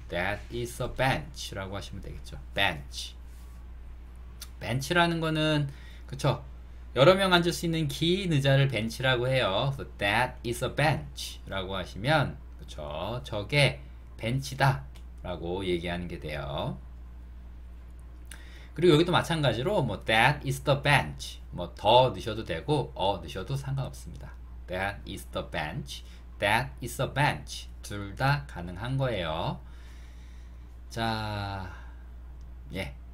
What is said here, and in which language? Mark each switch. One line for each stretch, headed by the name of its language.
English: That is a bench
Korean: 라고 하시면 되겠죠.
English: bench.
Korean: bench라는 거는 그쵸? 여러 명 앉을 수 있는 긴 의자를 bench라고 해요.
English: So that is a bench
Korean: 라고 하시면 그쵸? 저게 bench다 라고 얘기하는 게 돼요. 그리고 여기도 마찬가지로 뭐
English: that is the bench
Korean: 뭐 더 넣으셔도 되고 넣으셔도 상관없습니다.
English: that is the bench. that is a bench.
Korean: 둘 다 가능한 거예요. 자, 예.